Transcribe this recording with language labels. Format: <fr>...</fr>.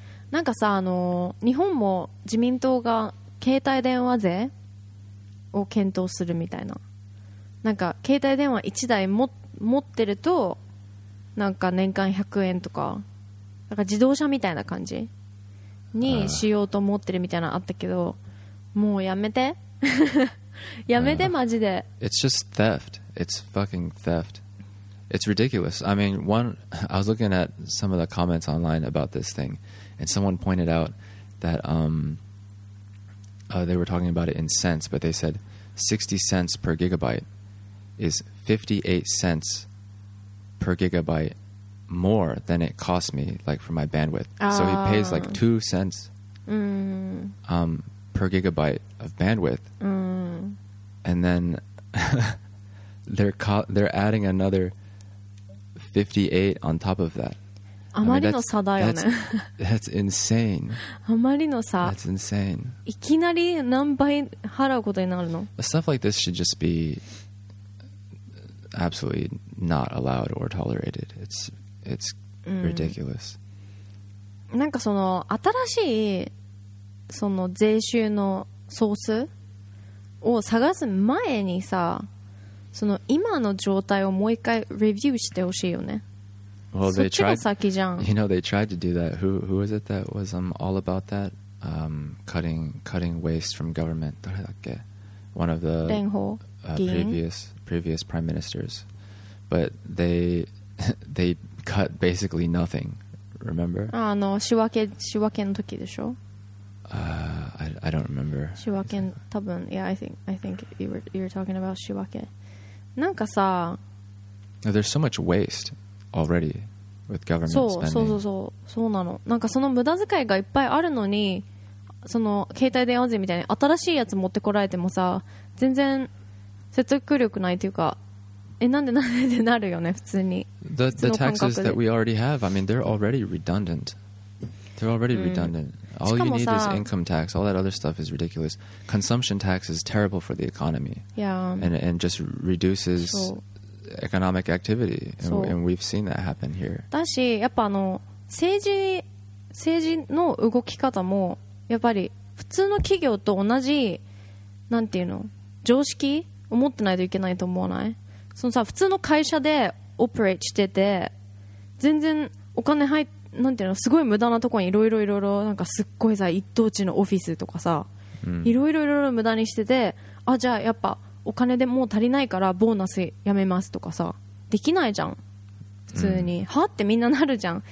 <ja>なんかさ、日本も自民党が携帯電話税を検討するみたいな、なんか携帯電話1台も持ってるとなんか年間100円とか、なんか自動車みたいな感じにしようと思ってるみたいなのあったけど、もうやめてやめてマジで。</ja> <en>It's just theft. It's fucking theft. It's ridiculous. I mean, one, I was looking at some of the comments online about this thing, and someone pointed out that they were talking about it in cents, but they said 60 cents per gigabyte is 58 cents per gigabyte more than it cost me, like for my bandwidth. So he pays like 2 cents per gigabyte of bandwidth. And then they're adding another 58 on top of that.</en> <ja>あまりの差だよね。</ja> <en>that's insane.</en> <ja>あまりの差。</ja> <en>That's insane.</en> <ja>いきなり何倍払うことになるの?</ja> <en>Stuff like this should just be absolutely not allowed or tolerated. It's ridiculous.</en> <ja>なんかその新しいその税収のソースを探す前にさ、その今の状態をもう一回レビューしてほしいよね。</ja> <en>Well,</en> <ja>そっちが先じゃん。</ja> <en>You know, they tried to do that. Who was it that was all about that? Cutting waste from government.</en> <ja>誰だっけ?</ja> <en>One of the</en> <ja>蓮舫</ja> <en>previous prime ministers. But they cut basically nothing. Remember?</en> <ja>あの、仕分けの時でしょ?</ja> <en>I don't remember.</en> <ja>仕分け、多分、</ja> <en>yeah, I think you're talking about 仕分け。</en> <ja>なんかさ、</ja> <en>there's so much waste. Already with government spending.</en> <ja>そうなの。なんかその無駄遣いがいっぱいあるのに、その携帯電話税みたいに新しいやつ持ってこられてもさ、全然説得力ないというか、え、なんでなんでってなるよね、普通に。</ja> <en>The taxes that we already have, I mean, they're already redundant. They're already redundant. All you need is income tax. All that other stuff is ridiculous. Consumption tax is terrible for the economy. Yeah. And just reduces. Economic activity, and we've seen that happen here.</en> <ja>だし、やっぱあの政治の動き方もやっぱり普通の企業と同じなんていうの常識を持ってないといけないと思わない？そのさ普通の会社でオペレートしてて全然お金入なんていうのすごい無駄なところにいろいろなんかすっごいさ一等地のオフィスとかさいろいろ無駄にしててあじゃあやっぱお金でもう足りないからボーナスやめますとかさできないじゃん普通に、うん、はってみんななるじゃん。</ja>